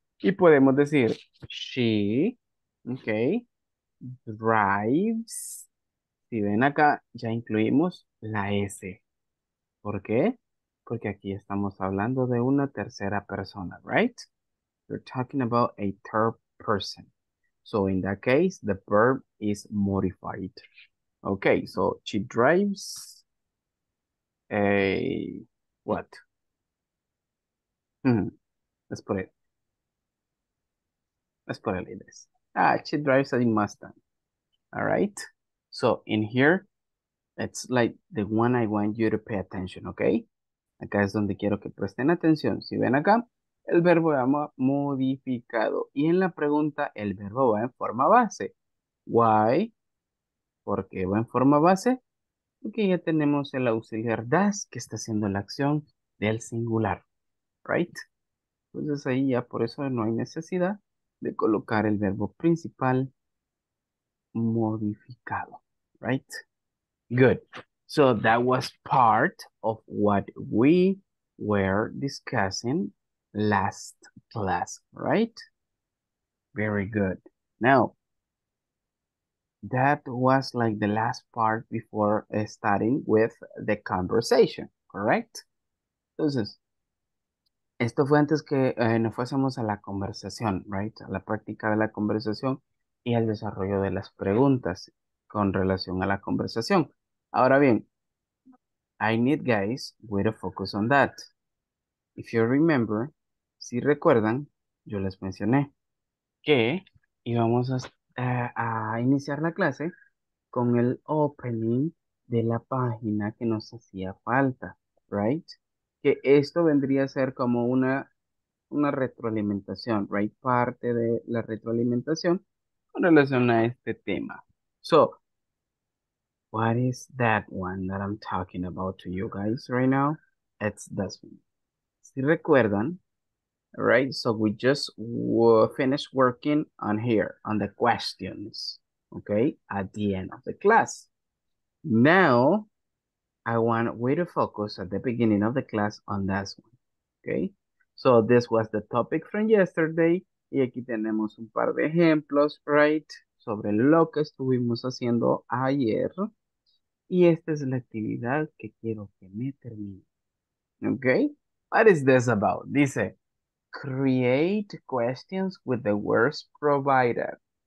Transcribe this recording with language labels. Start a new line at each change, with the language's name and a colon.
Spanish: Y podemos decir,
English: she, okay, drives.
Spanish: Si ven acá, ya incluimos la S. ¿Por qué? Porque aquí estamos hablando de una tercera persona, right?
English: We're talking about a third person. So in that case, the verb is modified. Okay, so she drives a what? Let's put it like this. Ah, she drives a Mustang. All right? So in here, it's like the one I want you to pay attention, okay?
Spanish: Acá es donde quiero que presten atención. Si ven acá, el verbo va modificado. Y en la pregunta, el verbo va en forma base. Why? ¿Por qué va en forma base? Porque ya tenemos el auxiliar das, que está haciendo la acción del singular. Right? Entonces ahí ya por eso no hay necesidad de colocar el verbo principal modificado.
English: Right? Good. So that was part of what we were discussing last class, right? Very good. Now, that was like the last part before starting with the conversation, correct?
Spanish: Entonces, esto fue antes que nos fuésemos a la conversación, right? A la práctica de la conversación y al desarrollo de las preguntas con relación a la conversación. Ahora bien,
English: I need guys with a focus on that. If you remember,
Spanish: si recuerdan, yo les mencioné que íbamos a iniciar la clase con el opening de la página que nos hacía falta, right? Que esto vendría a ser como una retroalimentación, right? Parte de la retroalimentación con relación a este tema.
English: So, what is that one that I'm talking about to you guys right now? It's this one.
Spanish: Si recuerdan,
English: right? So we just finished working on here, on the questions, okay? At the end of the class. Now, I want we to focus at the beginning of the class on this one, okay? So this was the topic from yesterday.
Spanish: Y aquí tenemos un par de ejemplos, right? Sobre lo que estuvimos haciendo ayer. Y esta es la actividad que quiero que me termine.
English: Okay? What is this about? Dice, create questions with the words provided.